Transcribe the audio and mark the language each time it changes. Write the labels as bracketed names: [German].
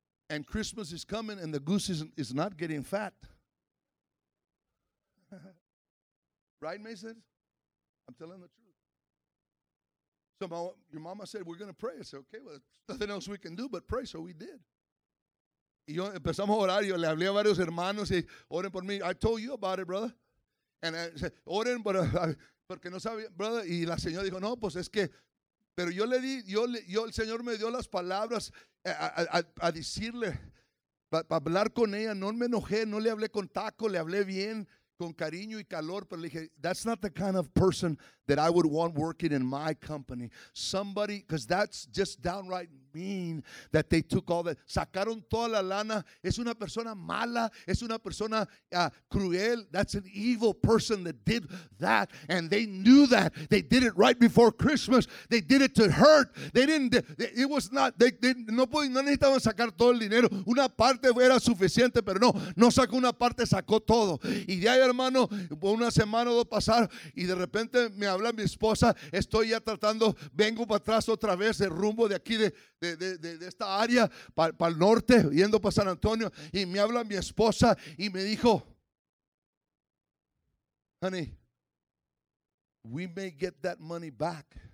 [English] And Christmas is coming and the goose is not getting fat. Right, Mason? I'm telling the truth. So your mama said, we're going to pray. I said, okay, well, nothing else we can do but pray. So we did. [Spanish] Y yo empezamos a orar. Yo le hablé a varios hermanos y oren por mí. [English] I told you about it, brother. And I said, [Spanish] oren, porque no sabía, [English] brother. [Spanish] Y la señora dijo, no, pues es que, pero yo le di, yo el Señor me dio las palabras a decirle, para hablar con ella. No me enojé, no le hablé con taco, le hablé bien. Con cariño y calor, pero le dije, [English] that's not the kind of person that I would want working in my company. Somebody, because that's just downright mean that they took all that. [Spanish] Sacaron toda la lana. Es una persona mala. Es una persona cruel. [English] That's an evil person that did that. And they knew that. They did it right before Christmas. They did it to hurt. They didn't, it was not, [Spanish] no necesitaban sacar todo el dinero. Una parte era suficiente, pero no sacó una parte, sacó todo. Y de ahí, hermano, una semana o dos pasar, y de repente me habla mi esposa, estoy ya tratando, vengo para atrás otra vez de rumbo de aquí, de esta área, para el norte, yendo para San Antonio, y me habla mi esposa y me dijo, [English] honey, we may get that money back.